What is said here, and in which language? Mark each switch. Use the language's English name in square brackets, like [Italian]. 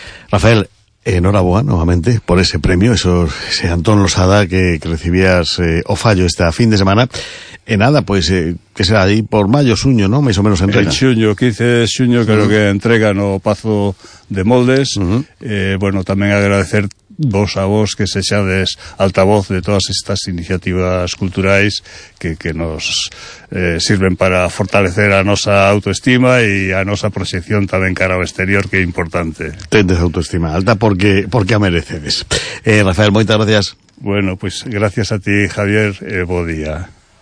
[Spanish] Rafael, enhorabuena nuevamente por ese premio, ese Antón Losada que recibías o fallo este fin de semana. Nada, pues que será ahí por mayo, xuño, ¿no? Más o menos entrega. El xuño, 15 de xuño, creo que entrega no Pazo de Moldes. [Galician] Bueno, también agradecer vos a vos que se xades altavoz de todas estas iniciativas culturais que nos sirven para fortalecer a nosa autoestima e a nosa proxección tamén cara ao exterior, que é importante. Tendes autoestima alta porque a merecedes. Rafael, moitas gracias. [Spanish] Bueno, pues gracias a ti, Javier, [Galician] bo día.